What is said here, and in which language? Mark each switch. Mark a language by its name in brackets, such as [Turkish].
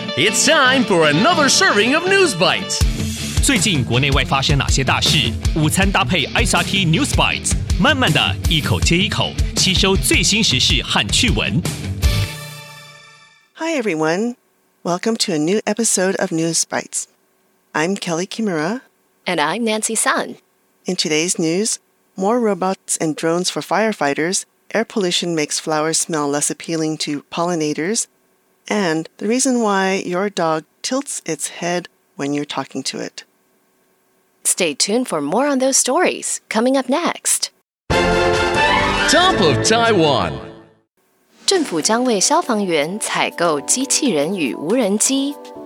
[English] It's time for another serving of News Bites. [Chinese] 最近国内外发生哪些大事？午餐搭配 SRT News Bites， 慢慢的一口接一口，吸收最新时事和趣闻。 [English] Hi everyone, welcome to a new episode of News Bites. I'm Kelly Kimura, and I'm Nancy Sun. In today's news, more robots and drones for firefighters. Air pollution makes flowers smell less appealing to pollinators, and the reason why your dog tilts its head when you're talking to it. Stay tuned for more on those stories, coming up next. Top of Taiwan! [Chinese] 政府将为消防员采购机器人与无人机。